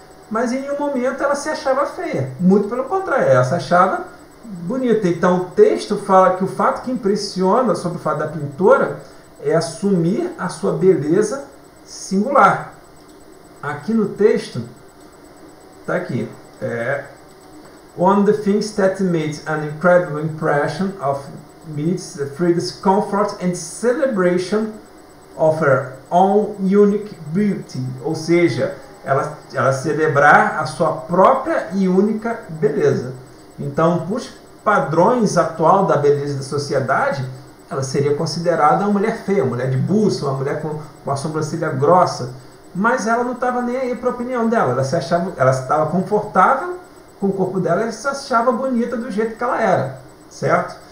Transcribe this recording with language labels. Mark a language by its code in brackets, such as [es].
[pt] Mas em nenhum momento ela se achava feia. Muito pelo contrário, ela se achava bonita. Então o texto fala que o fato que impressiona sobre o fato da pintora é assumir a sua beleza singular. Aqui no texto, tá aqui. [en] One of the things that made an incredible impression of me is Frida's comfort and celebration of her own unique beauty. [pt] Ou seja, ela celebrar a sua própria e única beleza. Então, por padrões atual da beleza da sociedade, ela seria considerada uma mulher feia, uma mulher de buço, uma mulher com a sobrancelha grossa. Mas ela não estava nem aí para a opinião dela. Ela estava confortável com o corpo dela e se achava bonita do jeito que ela era, certo?